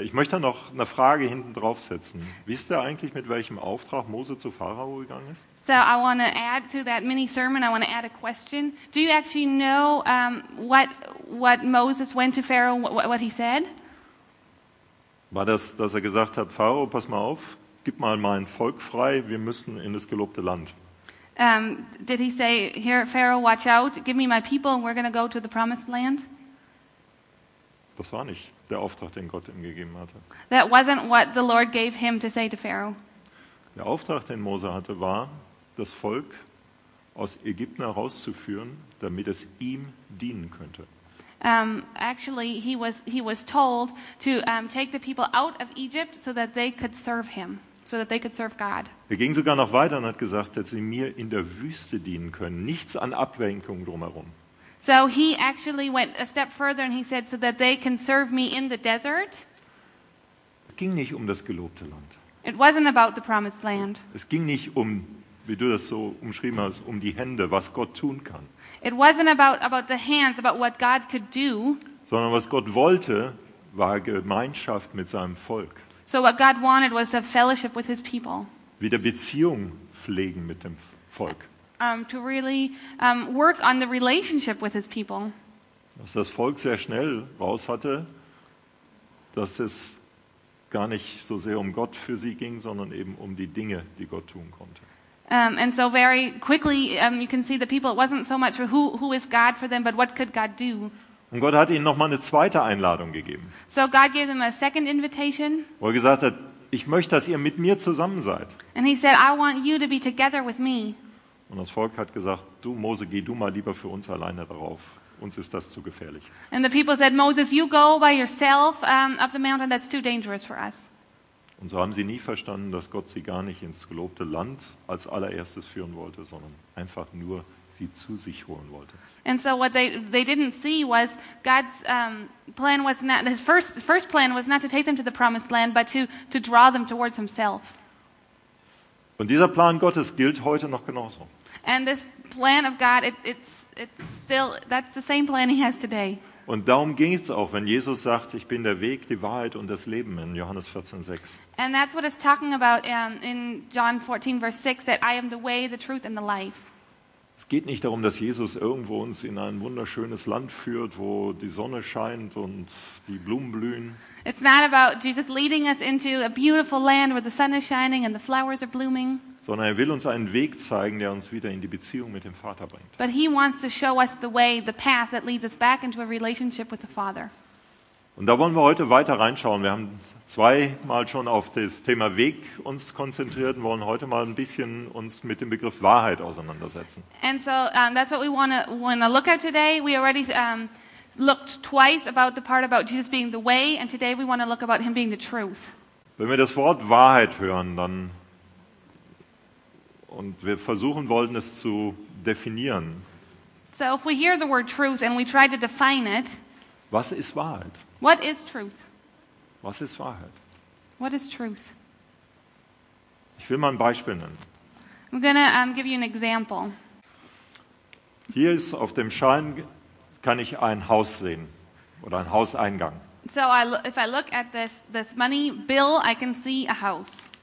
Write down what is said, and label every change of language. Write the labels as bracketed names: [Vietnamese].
[German] Ich möchte noch eine Frage hinten draufsetzen. Wisst ihr eigentlich, mit welchem Auftrag Mose zu Pharao gegangen ist? [English] So I want to add to that mini sermon, I want to add a question. Do you actually know what Moses went to Pharaoh, what he said? [German] War das, dass er gesagt hat, Pharao, pass mal auf, gib mal mein Volk frei, wir müssen in das gelobte Land. [English] Did he say, here Pharaoh, watch out, give me my people and we're going to go to the promised land? [German] Das war nicht der Auftrag, den Gott ihm gegeben hatte. [English] That wasn't what the Lord gave him to say to Pharaoh. [German] Der Auftrag, den Mose hatte, war, das Volk aus Ägypten herauszuführen, damit es ihm dienen könnte. [English] Actually, he was told to take the people out of Egypt so that they could serve him, so that they could serve God. [German] Er ging sogar noch weiter und hat gesagt, dass sie mir in der Wüste dienen können, nichts an Ablenkung drumherum. [English] So he actually went a step further and he said so that they can serve me in the desert. [German] Es ging nicht um das gelobte Land. [English] It wasn't about the promised land. [German] Es ging nicht um, wie du das so umschrieben hast, um die Hände, was Gott tun kann. [English] It wasn't about the hands, about what God could do. [German] Sondern was Gott wollte, war Gemeinschaft mit seinem Volk. [English] So what God wanted was to have fellowship with his people. [German] Wieder Beziehung pflegen mit dem Volk. [English] To really work on the relationship with his people. [German] Was das Volk sehr schnell raus hatte, dass es gar nicht so sehr um Gott für sie ging, sondern eben um die Dinge, die Gott tun konnte. [English] And so very quickly you can see the people, it wasn't so much who is God for them, but what could God do? [German] Und Gott hat ihnen noch mal eine zweite Einladung gegeben. [English] So God gave them a second invitation. [German] Wo er gesagt hat, ich möchte, dass ihr mit mir zusammen seid. [English] And he said, I want you to be together with me. [German] Und das Volk hat gesagt, du Mose, geh du mal lieber für uns alleine darauf. Uns ist das zu gefährlich. [English] And the people said, Moses, you go by yourself up the mountain, that's too dangerous for us. [German] Und so haben sie nie verstanden, dass Gott sie gar nicht ins gelobte Land als allererstes führen wollte, sondern einfach nur sie zu sich holen wollte. [English] And so what they didn't see was God's plan was not, his first plan was not to take them to the promised land, but to draw them towards himself. [German] Und dieser Plan Gottes gilt heute noch genauso. [English] And this plan of God, it's still, that's the same plan he has today. [German] Und darum ging es auch, wenn Jesus sagt, ich bin der Weg, die Wahrheit und das Leben in Johannes 14:6. [English] And that's what it's talking about in John 14 verse 6, that I am the way, the truth and the life. [German] Es geht nicht darum, dass Jesus irgendwo uns in ein wunderschönes Land führt, wo die Sonne scheint und die Blumen blühen. [English] It's not about Jesus leading us into a beautiful land where the sun is shining and the flowers are blooming. [German] Sondern er will uns einen Weg zeigen, der uns wieder in die Beziehung mit dem Vater bringt. [English] But he wants to show us the way, the path that leads us back into a relationship with the Father. [German] Und da wollen wir heute weiter reinschauen. Wir haben zweimal schon auf das Thema Weg uns konzentriert und wollen heute mal ein bisschen uns mit dem Begriff Wahrheit auseinandersetzen. [English] And so that's what we want to look at today. We already looked twice about the part about Jesus being the way, and today we want to look about him being the truth. [German] Wenn wir das Wort Wahrheit hören, dann und wir versuchen wollen es zu definieren. [English] So if we hear the word truth and we try to define it. [German] Was ist Wahrheit? [English] What is truth? [German] Was ist Wahrheit? [English] What is truth? [German] Ich will mal ein Beispiel nennen. [English] I'm gonna give you an example. [German] Hier ist auf dem Schein kann ich ein Haus sehen oder ein Hauseingang. [English] So if I look at this money bill, I can see a house.